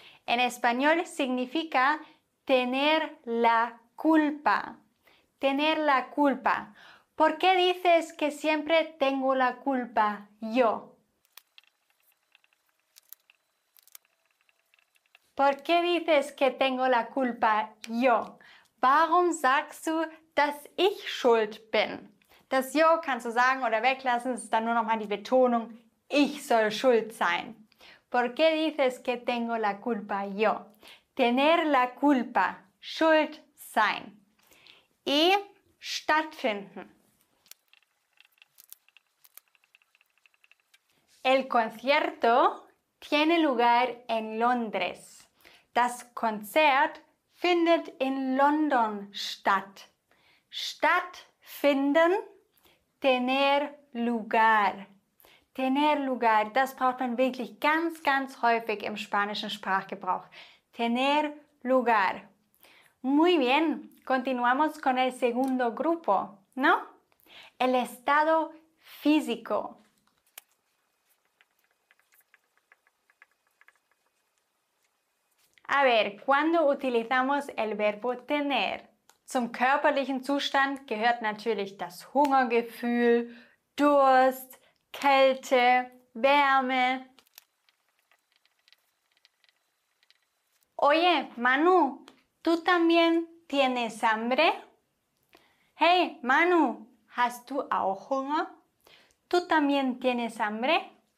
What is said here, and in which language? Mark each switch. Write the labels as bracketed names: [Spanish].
[Spanish] En español significa tener la culpa. Tener la culpa. ¿Por qué dices que siempre tengo la culpa yo? ¿Por qué dices que tengo la culpa yo? [German] Warum sagst du, dass ich schuld bin? Das yo kannst du sagen oder weglassen, es ist dann nur noch mal die Betonung, ich soll schuld sein. [Spanish] ¿Por qué dices que tengo la culpa yo? Tener la culpa, [German] schuld sein. Y stattfinden. [Spanish] El concierto tiene lugar en Londres. [German] Das Konzert findet in London statt. Stattfinden, [Spanish] tener lugar. Tener lugar, [German] das braucht man wirklich ganz, ganz häufig im spanischen Sprachgebrauch. [Spanish] Tener lugar. Muy bien, continuamos con el segundo grupo, ¿no? El estado físico. A ver, ¿cuándo utilizamos el verbo tener? [German] Zum körperlichen Zustand gehört natürlich das Hungergefühl, Durst, Kälte, Wärme. [Spanish] Oye, Manu, ¿tú también tienes hambre? [German] Hey, Manu, ¿hast du auch Hunger? [Spanish] ¿Tú también tienes hambre?